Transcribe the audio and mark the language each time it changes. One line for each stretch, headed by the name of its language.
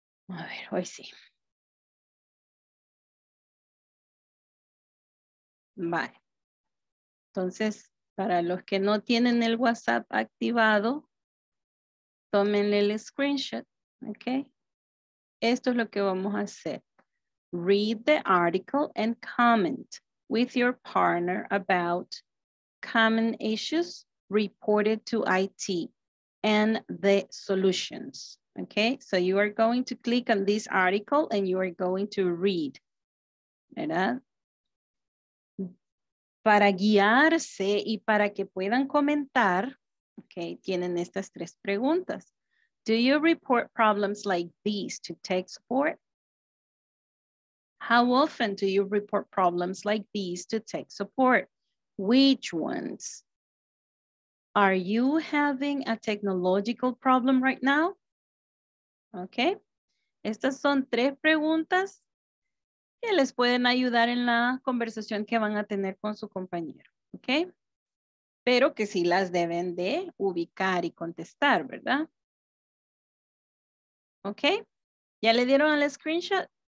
Spanish: A ver, hoy sí. Vale. Entonces, para los que no tienen el WhatsApp activado, tómenle el screenshot, ¿ok? Esto es lo que vamos a hacer.
English: Read the article and comment with your partner about common issues reported to IT and the solutions, ¿ok? So you are going to click on this article and you are going to read,
Spanish: ¿verdad? Para guiarse y para que puedan comentar, okay, tienen estas tres preguntas.
English: Do you report problems like these to tech support? How often do you report problems like these to tech support? Which ones? Are you having a technological problem right now? Okay.
Spanish: Estas son tres preguntas que les pueden ayudar en la conversación que van a tener con su compañero, ¿ok? Pero que sí las deben de ubicar y contestar, ¿verdad? ¿Ok? ¿Ya le dieron al screenshot?